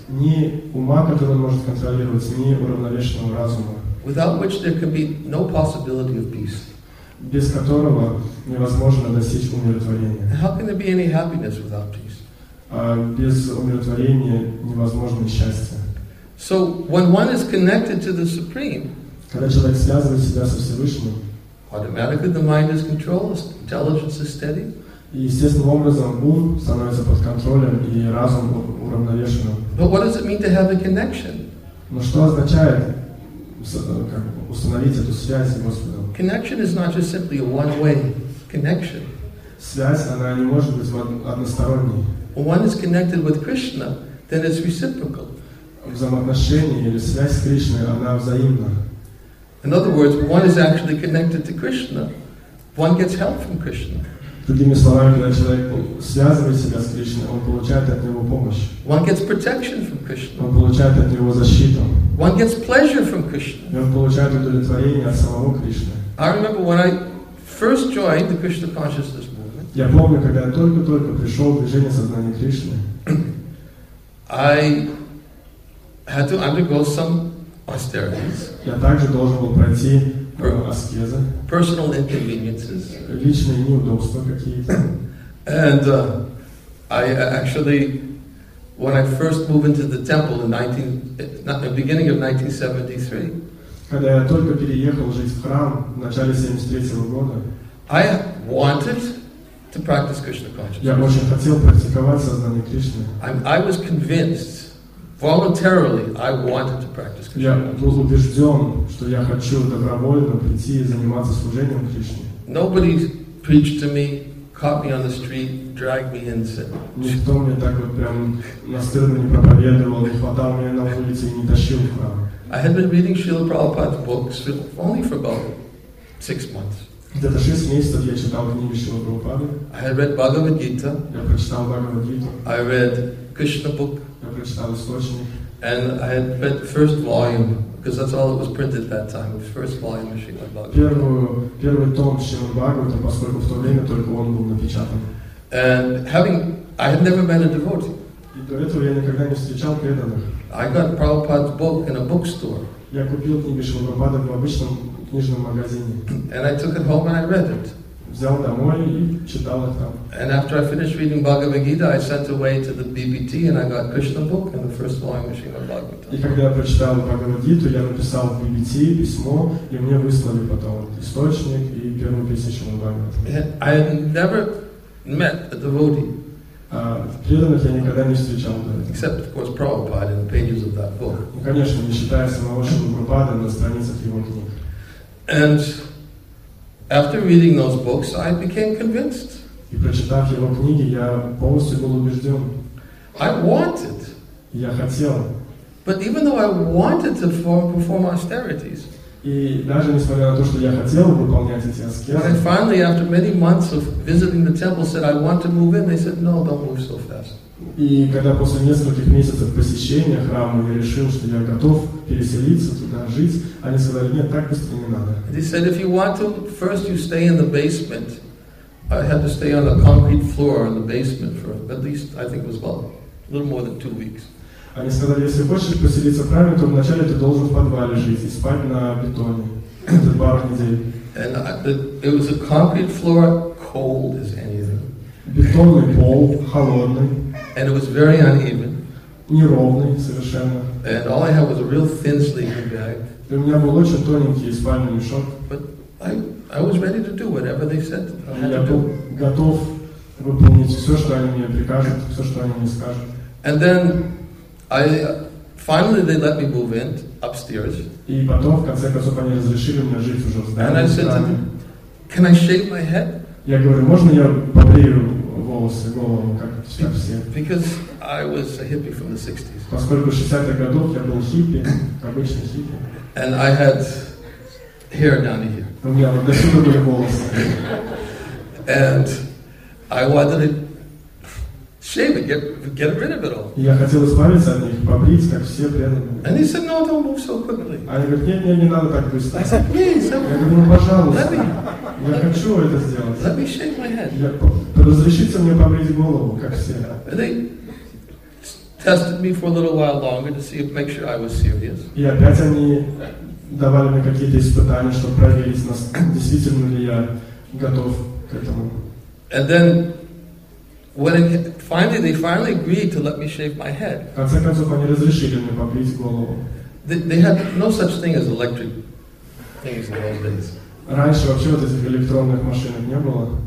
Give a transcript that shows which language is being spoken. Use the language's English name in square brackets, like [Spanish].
[Russian] Ни ума, который может контролировать, ни уравновешенного разума. [English] Without which there can be no possibility of peace. [Russian] Без которого невозможно достичь умиротворения. [English] How can there be any happiness without peace? [Russian] Без умиротворения невозможно счастье. [English] So when one is connected to the Supreme, [Russian] когда человек связывает себя со Всевышним, [English] automatically the mind is controlled, intelligence is steady. [Russian] И естественным образом ум становится под контролем и разум уравновешенным. [English] But what does it mean to have a connection? [Russian] Но что означает установить эту связь с Господом? [English] Connection is not just simply a one-way connection. [Russian] Связь, она не может быть односторонней. [English] When one is connected with Krishna, then it's reciprocal. [Russian] Взаимоотношения или связь с Кришной, она взаимна. [English] In other words, when one is actually connected to Krishna, one gets help from Krishna. [Russian] Другими словами, когда человек связывает себя с Кришной, он получает от него помощь. [English] One gets protection from Krishna. [Russian] Он получает от него защиту. [English] One gets pleasure from Krishna. [Russian] И он получает удовлетворение от самого Кришны. [English] I remember when I first joined the Krishna Consciousness Movement. [Russian] Я помню, когда я только-только пришел в движение сознания Кришны. [English] I had to undergo some austerities. [Russian] Я также должен был пройти аскезы. [English] Personal inconveniences. [Russian] Личные неудобства какие-то. [English] And I actually, when I first moved into the temple in the beginning of 1973, [Russian] когда я только переехал жить в храм в начале 73 года, [English] I wanted to practice Krishna consciousness. [Russian] Я очень хотел практиковать сознание Кришны. [English] I was convinced, voluntarily, I wanted to practice Krishna consciousness. [Russian] Я был убежден, что я хочу добровольно прийти и заниматься служением Кришне. [English] Nobody preached to me, caught me on the street, dragged me in, said, [Russian] никто мне так вот прям настырно не проповедовал, не хватал меня на улице и не тащил в храм. [English] I had been reading Srila Prabhupada's books only for about 6 months. [Russian] Где-то 6 месяцев я читал книги Шрила Прабхупады. [English] I had read Bhagavad Gita. [Russian] Я прочитал Бхагавад Гиту. [English] I read Krishna book. [Russian] Я прочитал источник. [English] And I had read the first volume, because that's all that was printed at that time, the first volume of Srimad Bhagavatam. [Russian] Первый том Srimad Bhagavatam, поскольку в то время только он был напечатан. [English] And I had never met a devotee. [Russian] И до этого я никогда не встречал преданных. [English] I got Prabhupada's book in a bookstore. [Russian] Я купил книги Srimad Prabhupada в обычном книжном магазине. [English] And I took it home and I read it. [Russian] Взял домой и читал их там. [English] And after I finished reading Bhagavad Gita, I sent away to the BBT and I got Krishna book and the first volume of Srimad Bhagavatam. [Russian] И когда я прочитал Бхагавад Гиту, я написал в BBT письмо, и мне выслали потом источник и первую песню Шримад Бхагаватам. [English] I had never met a devotee. [Russian] Преданных я никогда не встречал до этого. [English] Except, of course, Prabhupada in the pages of that book. [Russian] Ну, конечно, не считая самого Шримад Прабхупады на страницах его книг. [English] And after reading those books, I became convinced. [Russian] И прочитав его книги, я полностью был убежден. [English] I wanted. [Russian] Я хотел. [English] But even though I wanted to perform austerities, [Russian] и даже несмотря на то, что я хотел выполнять эти аскезы, [English] and finally, after many months of visiting the temple, said, I want to move in. They said, no, don't move so fast. [Russian] И когда после нескольких месяцев посещения храма я решил, что я готов переселиться туда, жить, они сказали, нет, так быстро не надо. [English] And he said, if you want to, first you stay in the basement. I had to stay on the concrete floor in the basement for at least, I think it was about a little more than 2 weeks. [Russian] Они сказали, если хочешь поселиться в храме, то вначале ты должен в подвале жить и спать на бетоне. Это 2 недели. [English] And it was a concrete floor, cold as anything. [Russian] Бетонный пол, холодный. [English] And it was very uneven. [Russian] Неровный совершенно. [English] And all I had was a real thin sleeping bag. [Russian] У меня был очень тоненький спальный мешок. [English] But I was ready to do whatever they said. [Russian] Я готов выполнить все, что они мне прикажут, все, что они мне скажут. [English] And then I finally they let me move in upstairs. [Russian] И потом в конце концов они разрешили мне жить уже в здании. [English] And I said to them, "Can I shave my head?" [Russian] Я говорю, можно я побрею волосы, голову, как сейчас все? [English] Because I was a hippie from the 60s. [Russian] Поскольку в 60-х годах я был хиппи, обычный хиппи. [English] And I had hair down to here. [Russian] У меня вот до сюда были волосы. [English] And I wanted to shave it, get rid of it all. [Russian] Я хотел избавиться от них, побрить, как все преданные. [English] And he said, "No, don't move so quickly." [Russian] Они говорят, нет, нет, не надо так быстро. [English] I said, "Please." [Russian] Я говорю, ну, пожалуйста. Я хочу это сделать. [English] Let me shave my head. [Russian] Разрешите мне побрить голову, как все. [English] And they tested me for a little while longer to see if make sure I was serious. [Russian] И опять они давали мне какие-то испытания, чтобы проверить, действительно ли я готов к этому. [English] And then, when it, finally agreed to let me shave my head. [Russian] В конце концов они разрешили мне побрить голову. [English] They had no such thing as electric things in those days. [Russian] Раньше вообще вот этих электронных машин не было.